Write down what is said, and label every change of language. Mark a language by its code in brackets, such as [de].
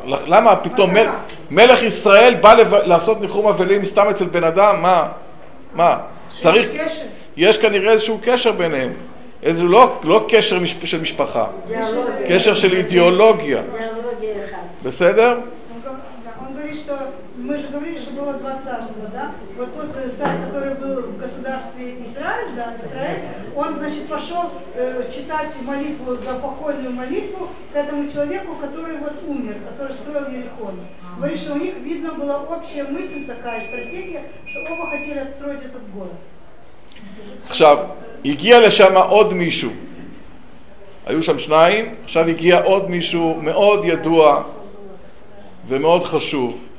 [he] למה פתאום מלך ישראל בא לעשות ניחום אבלים סתם אצל בן אדם? מה? צריך, יש כנראה איזשהו קשר ביניהם. זה לא קשר של משפחה, קשר של אידיאולוגיה. בסדר? [ru] Мы же говорили, что было два царства, да? Вот тот царь, который был в государстве Израиль, да, Израиль, он, значит, пошел читать молитву, да, покойную молитву к этому человеку, который вот умер, который строил Ерихон. Говорит, что у них видно была общая мысль, такая стратегия, что оба хотели отстроить этот город. [he] עכשיו, הגיע לשם עוד מישהו. היו שם שניים, עכשיו הגיע עוד מישהו מאוד ידוע ומאוד חשוב.